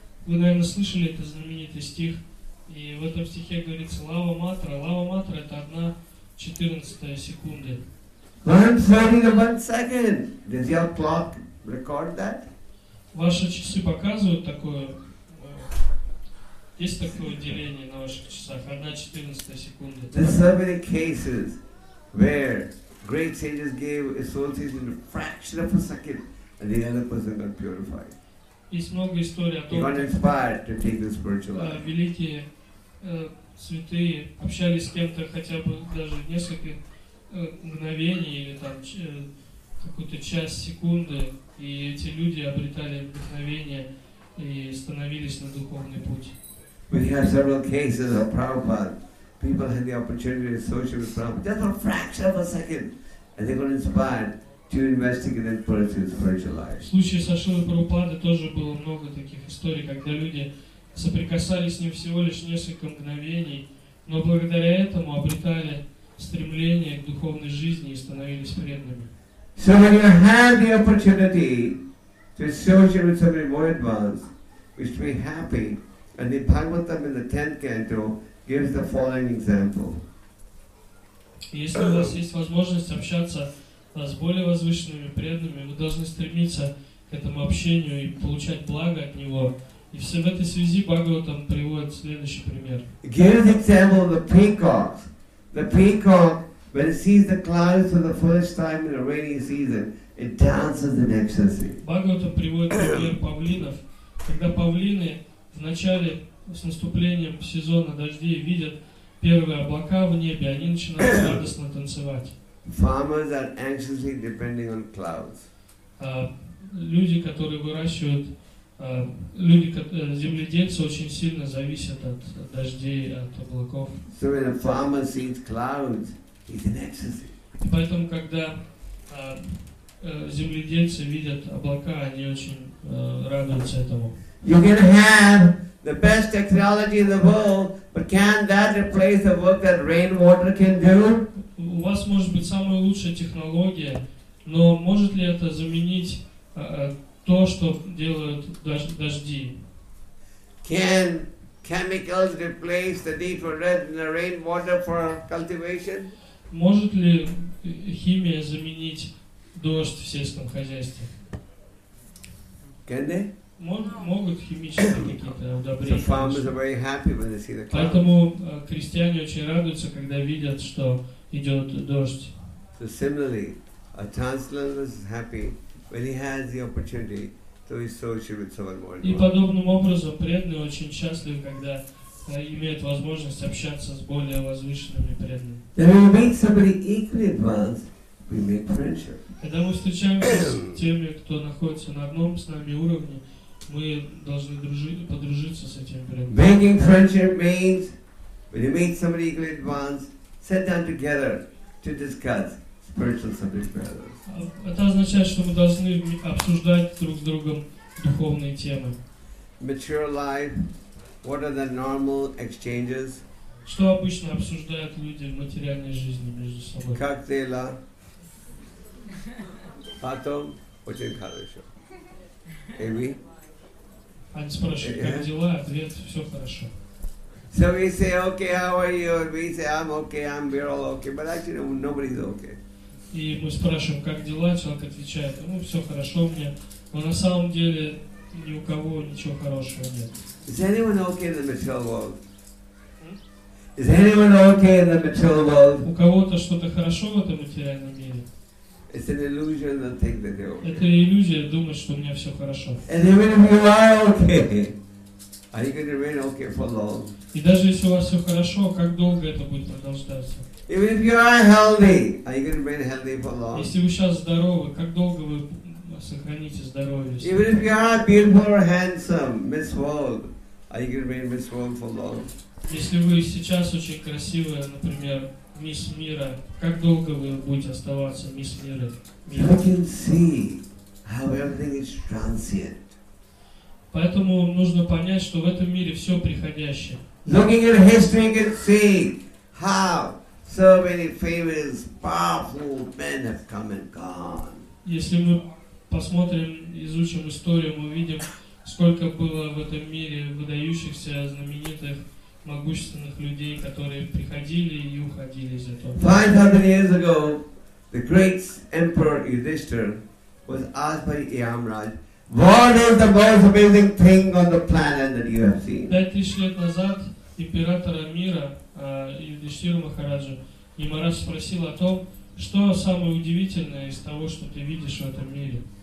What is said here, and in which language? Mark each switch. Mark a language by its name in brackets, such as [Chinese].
[Russian] Вы, наверное, слышали этот знаменитый стих, и в этом стихе говорится лава матра это 1/14 секунды. [English] 1/14 of 1 second. Does your clock record that? [Russian] Ваши часы показывают такое? Есть такое деление на ваших часах? 1/14 секунды. [English] There's so many cases where great sages gave association a fraction of a second and the other person got purified. [Russian] Есть много историй о том, великие святые общались с кем-то хотя бы даже несколько мгновений или там какую-то часть секунды, и эти люди обретали вдохновение и становились на духовный путь. [English] We have several cases of Prabhupada. People had the opportunity to associate with Prabhupada just a fraction of a second, and they got inspired to investigate and pursue spiritual life. [Russian] В случае со Шрилой Прабхупадой тоже было много таких историй, когда люди соприкасались с ним всего лишь несколько мгновений, но благодаря этому обретали стремление к духовной жизни и становились преданными. [English] So when you have the opportunity to associate with some devoted ones, we should be happy. And the Bhagavatam in the 10th canto gives the following example. [Russian] Если у вас есть возможность общаться с более возвышенными преданными, вы должны стремиться к этому общению и получать благо от него. И все в этой связи Бхагаватам приводит следующий пример. [English] Give the example of the peacock. The peacock, when it sees the clouds for the first time in a rainy season, it dances in ecstasy. [Russian] Бхагаватам приводит пример павлинов. Когда павлины в начале, с наступлением сезона дождей, видят первые облака в небе, они начинают радостно танцевать. [English] Farmers are anxiously depending on clouds. [Russian] Люди, которые выращивают, земледельцы очень сильно зависят от дождей, от облаков. [English] So when a farmer sees clouds, he's in ecstasy. [Russian] И поэтому, когда земледельцы видят облака, они очень радуются этому. [English] You can have the best technology in the world, but can that replace the work that rainwater can do? [Russian] У вас может быть самая лучшая технология, но может ли это заменить то, что делают дожди? [English] Can chemicals replace the need for rainwater for cultivation? [Russian] Может ли химия заменить дождь в сельском хозяйстве? [English] Can they? [Russian] Могут химические какие-то удобрения. [English] So [Russian] поэтому крестьяне очень радуются, когда видят, что идет дождь. [English] So similarly, a translator is happy when he has the opportunity to associate with someone more. [Russian] И подобным образом преданные очень счастливы, когда имеют возможность общаться с более возвышенными преданными. [English] When we meet somebody equally advanced, we make friendship. [Russian] Когда мы встречаемся с теми, кто находится на одном с нами уровне, мы должны подружиться с этим преданным. [English] Making friendship means when you meet somebody equally advanced, sit down together to discuss spiritual subject matters. [Russian] Это означает, что мы должны обсуждать друг с другом духовные темы. [English] Mature life. What are the normal exchanges? [Russian] Что обычно обсуждают люди в материальной жизни между собой? Как дела? Потом очень хорошо. Эми. Они спрашивают, как дела? Ответ: все хорошо. [English] So we say, okay, how are you? And we say, I'm okay, I'm we're all okay. But actually, nobody's okay. [Russian] И мы спрашиваем, как дела? Человек отвечает: ну все хорошо мне. Но на самом деле ни у кого ничего хорошего нет. [English] Is anyone okay in the material world? Is anyone okay in the material world? [Russian] У кого-то что-то хорошо в этом материальном мире? [English] It's an illusion to think that they're okay. [Russian] Это иллюзия думать, что у меня все хорошо. [English] And even if you are okay, are you going to remain okay for long? [Russian] И даже если у вас все хорошо, как долго это будет продолжаться? [English] Even if you are healthy, are you going to remain healthy for long? [Russian] Если вы сейчас здоровы, как долго вы сохраните здоровье? [English] Even if you are beautiful or handsome, Miss World, are you going to remain Miss World for long? [Russian] Если вы сейчас очень красивая, например, Мисс Мира, как долго вы будете оставаться Мисс Мира? [English] You can see how everything is transient. [Russian] Поэтому нужно понять, что в этом мире все приходящее. [English] Looking at history, you can see how so many famous, powerful men have come and gone. [Russian] Если мы посмотрим, изучим историю, мы увидим, сколько было в этом мире выдающихся, знаменитых, могущественных людей, которые приходили и уходили из этого. [English] 500 years ago, the great emperor Yudhishthira was asked by Yamraj, "What is the most amazing thing on the planet that you have seen?" [Russian] 5000 лет назад император Амира Юдиштхира Махараджа Ямарадж спросил о том, что самое удивительное из того, что ты видишь в этом мире.